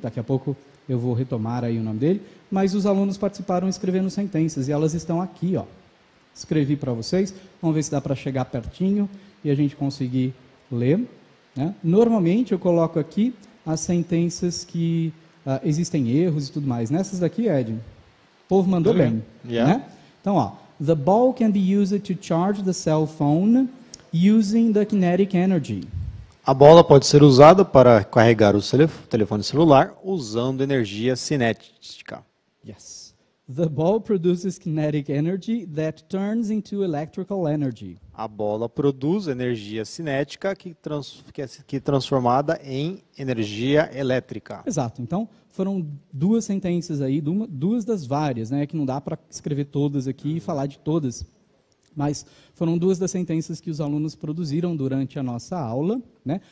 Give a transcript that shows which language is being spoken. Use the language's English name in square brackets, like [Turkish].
[Portuguese] Daqui a pouco eu vou retomar aí o nome dele. Mas os alunos participaram escrevendo sentenças e elas estão aqui, ó. Escrevi para vocês. Vamos ver se dá para chegar pertinho e a gente conseguir ler, né? Normalmente eu coloco aqui as sentenças que existem erros e tudo mais. Nessas daqui, Ed, o povo mandou bem. Yeah. Né? [English] Então, ó, the ball can be used to charge the cell phone using the kinetic energy. [Portuguese] A bola pode ser usada para carregar o telefone celular usando energia cinética. [English] Yes. The ball produces kinetic energy that turns into electrical energy. [Portuguese] A bola produz energia cinética que é transformada em energia elétrica. Exato. Então, foram duas sentenças aí, duas das várias, né? Que não dá para escrever todas aqui e falar de todas. Mas foram duas das sentenças que os alunos produziram durante a nossa aula, né?